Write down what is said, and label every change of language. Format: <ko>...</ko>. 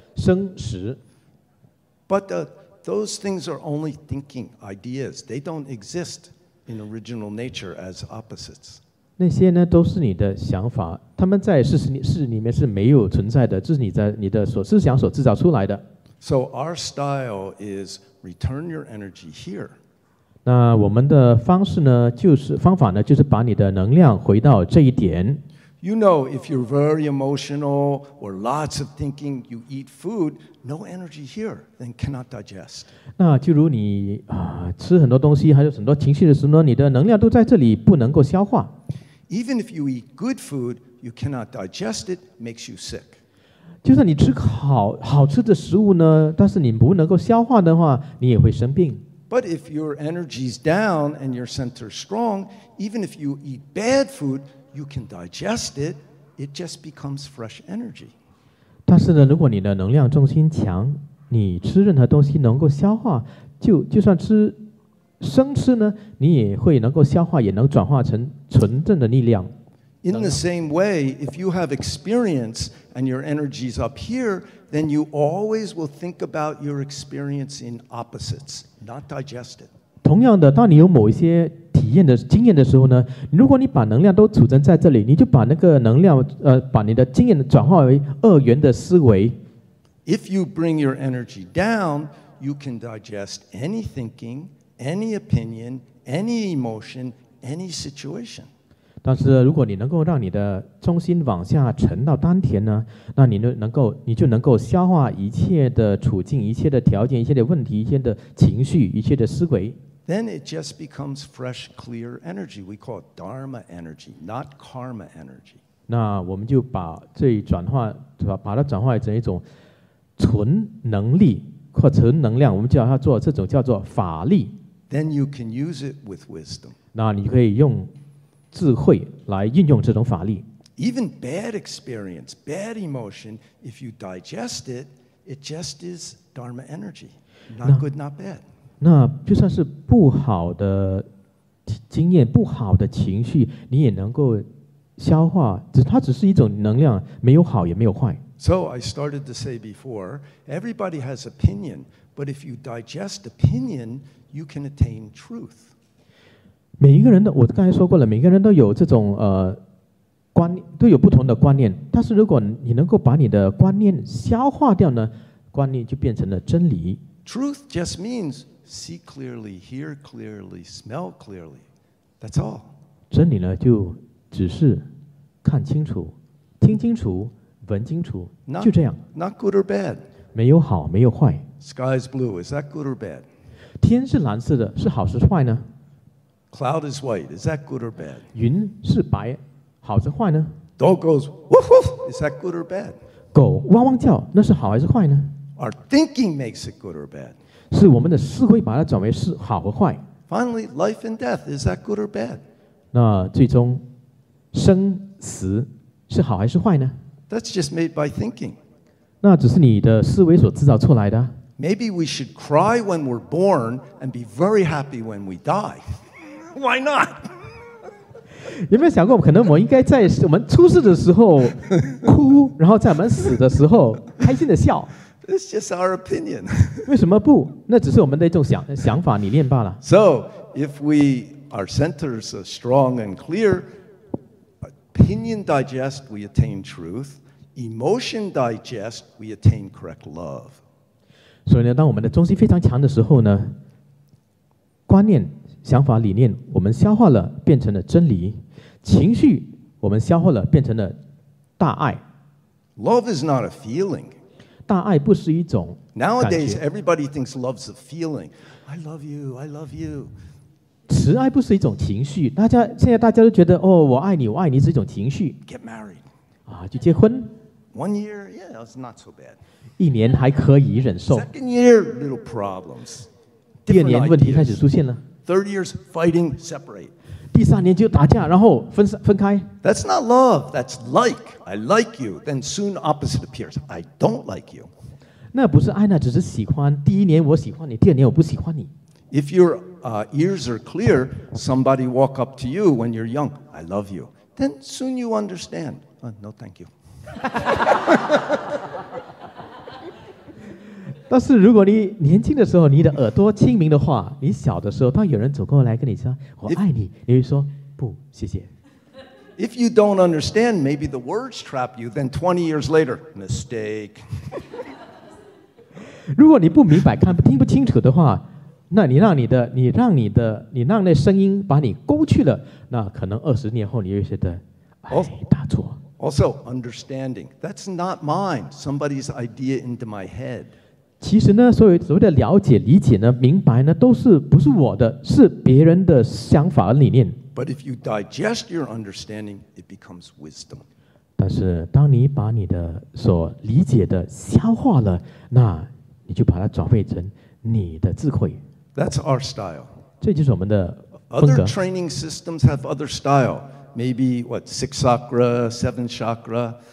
<zh>生死。</zh> <en>But those things are only thinking ideas. They don't exist. In original nature as opposites.</en> <zh>那些呢都是你的想法，他们在事实里面是没有存在的，这是你的所思想所制造出来的。</zh> <en>So our style is return your energy here.</en> <zh>那我们的方式呢，就是方法呢，就是把你的能量回到这一点。</zh> <en>You know, if you're very emotional or lots of thinking, you eat food, no energy here, then cannot digest.</en> <zh>那就如你吃很多东西，还有很多情绪的时候呢，你的能量都在这里，不能够消化。</zh> <en>Even if you eat good food, you cannot digest it, makes you sick.</en> <zh>就算你吃好吃的食物呢，但是你不能够消化的话，你也会生病。</zh> <en>But if your energy is down and your center is strong, even if you eat bad food,You can digest it. It just becomes fresh energy.</en> <zh>但是呢，如果你的能量中心强，你吃任何东西能够消化，就算吃生吃呢，你也会能够消化，也能转化成纯正的力量。</zh> <en>In the same way, if you have experience and your energy is up here, then you always will think about your experience in opposites, not digest it.</en> <zh>同样的，当你有某一些经验的时候呢，如果你把能量都储存在这里，你就把那个能量，把你的经验转化为二元的思维。</zh> <en>If you bring your energy down, you can digest any thinking, any opinion, any emotion, any situation.</en> <zh>但是如果你能够让你的中心往下沉到丹田呢，那你就能够消化一切的处境、一切的条件、一切的问题、一切的情绪、一切的思维。</zh> <en>Then it just becomes fresh, clear energy. We call it dharma energy, not karma energy.</en> <zh>那我们就把这转化，把它转化成一种纯能力或纯能量，我们叫它做这种叫做法力。</zh> <en>Then you can use it with wisdom.</en> <zh>那你可以用智慧来运用这种法力。</zh> <en>Even bad experience, bad emotion, if you digest it, it just is dharma energy. Not good, not bad.</en> <zh>那就算是不好的经验、不好的情绪，你也能够消化。它只是一种能量，没有好也没有坏。</zh> <en>So I started to say before, everybody has opinion, but if you digest opinion, you can attain truth.</en> <zh>每一个人的，我刚才说过了，每个人都有这种观念，都有不同的观念。但是如果你能够把你的观念消化掉呢，观念就变成了真理。</zh> <en>Truth just means. See clearly, hear clearly, smell clearly. That's all.</en> <zh>真理呢，就只是看清楚、听清楚、闻清楚，就这样。</zh> <en>Not good or bad.</en> <zh>没有好，没有坏。</zh> <en>Sky is blue. Is that good or bad?</en> <zh>天是蓝色的，是好是坏呢</zh> <en>？Cloud is white. Is that good or bad?</en> <zh>云是白，好是坏呢</zh> <en>？Dog goes woof woof. Is that good or bad?</en> <zh>狗汪汪叫，那是好还是坏呢</zh> <en>？Our thinking makes it good or bad.</en> <zh>是我们的思维把它转为是好和坏。</zh> <en>Finally, life and death, is that good or bad?</en> <zh>那最终生死是好还是坏呢</zh> <en>？That's just made by thinking.</en> <zh>那只是你的思维所制造出来的。</zh> <en>Maybe we should cry when we're born and be very happy when we die. Why not?</en> <zh>有没有想过，可能我应该在我们出世的时候哭，然后在我们死的时候开心的笑？</zh> <en>It's just our opinion.</en> <zh>为什么不？那只是我们的一种想法，理念罢了。</zh> <en>So if we our centers are strong and clear, opinion digest, we attain truth. Emotion digest, we attain correct love.</en> <zh>所以呢，当我们的中心非常强的时候呢，观念、想法、理念，我们消化了，变成了真理；情绪，我们消化了，变成了大爱。</zh> <en>Love is not a feeling.</en> <zh>大爱不是一种感觉。</zh> <en>Nowadays, everybody thinks love is a feeling. I love you. I love you.</en> <zh>慈爱不是一种情绪，大家现在大家都觉得哦，我爱你，我爱你是一种情绪。</zh> <en>Get married.</en> <zh>啊，就结婚。</zh> <en>One year, yeah, it's not so bad.</en> <zh>一年还可以忍受。</zh> <en>Second year, little problems.</en> <zh>第二年问题开始出现了。</zh> <en>Third year, fighting, separate.</en> <zh>第三年就打架，然后分开。</zh> <en>That's not love. That's like. I like you. Then soon, opposite appears. I don't like you.</en> <zh>那不是爱，那只是喜欢。第一年我喜欢你，第二年我不喜欢你。</zh> <en>If your ears are clear, somebody walk up to you when you're young. I love you. Then soon you understand. No, thank you.</en> <zh>但是如果你年轻的时候你的耳朵清明的话，你小的时候当有人走过来跟你说我爱你，你会说不谢谢。</zh> <en>If you don't understand, maybe the words trap you, then 20 years later, mistake.</en> <zh>如果你不明白看不听不清楚的话，那你让你的你让那声音把你勾去了，那可能20年后你会觉得哎大错。</zh> <en>Also, understanding. That's not mine. Somebody's idea into my head.</en> <zh>其实呢，所谓的了解、理解呢、明白呢，都是不是我的，是别人的想法和理念。</zh> <en>But if you digest your understanding, it becomes wisdom.</en> <zh>但是当你把你的所理解的消化了，那你就把它转变成你的智慧。</zh> <en>That's our style.</en> <zh>这就是我们的风格。</zh> <en>Other training systems have other style. Maybe, what, six chakra, seven chakra.</en>